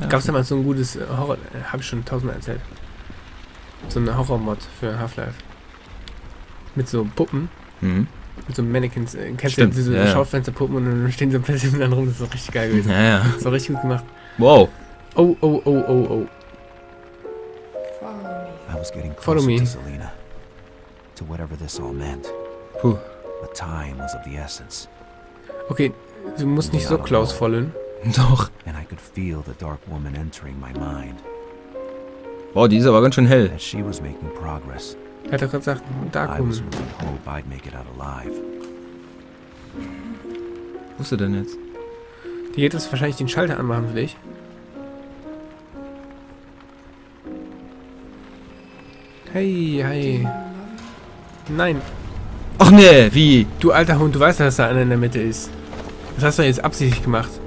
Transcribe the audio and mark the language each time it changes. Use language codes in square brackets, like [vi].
[de] Ja, gab's damals so ein gutes Horror. Hab ich schon tausendmal erzählt. So ein Horror-Mod für Half-Life. Mit so Puppen. Mhm. Mit so Mannequins. Kennst du diese Schaufensterpuppen und dann stehen so plötzlich miteinander rum? Das ist doch richtig geil gewesen. Ja, ja. Das war richtig gut gemacht. Wow. Oh. [en] I was getting closer to Selena, to whatever this all meant. Puh. But time was of the essence. [de] Okay, du musst nicht so Klaus vollen. Doch. [en] And I could feel the dark woman entering my mind. [de] Boah, die ist aber ganz schön hell. [en] And she was making progress. [de] Er hat gerade gesagt, Dark Woman. [en] I was moving hope I'd make it out alive. [de] Wo ist er denn jetzt? Die geht jetzt wahrscheinlich den Schalter anmachen für dich. Hey. Nein. Ach ne, wie? Du alter Hund, du weißt ja, dass da einer in der Mitte ist. Das hast du jetzt absichtlich gemacht.